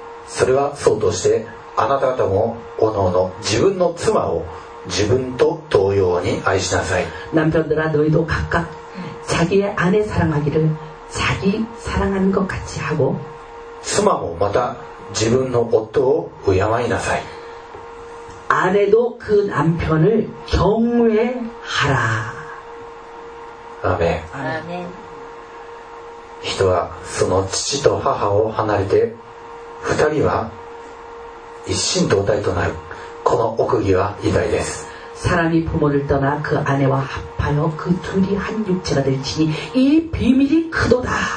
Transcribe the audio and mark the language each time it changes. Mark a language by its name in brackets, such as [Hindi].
[Japanese] それはそうとしてあなた方もおのおの自分の妻を自分と同様に愛しなさい [Korean] 남편들아너희도각각자기의아내사랑하기를자기사랑하는것같이하고 [Japanese] 妻もまた自分の夫を敬いなさい [Korean] 아내도그남편을경외하라 [Japanese] 아멘人はその父と母を離れて二人は一心同体となるこの奥義は偉大です [Korean] 사람이부모를떠나그아내와합하여그둘이한육체가될지니이비밀이크도다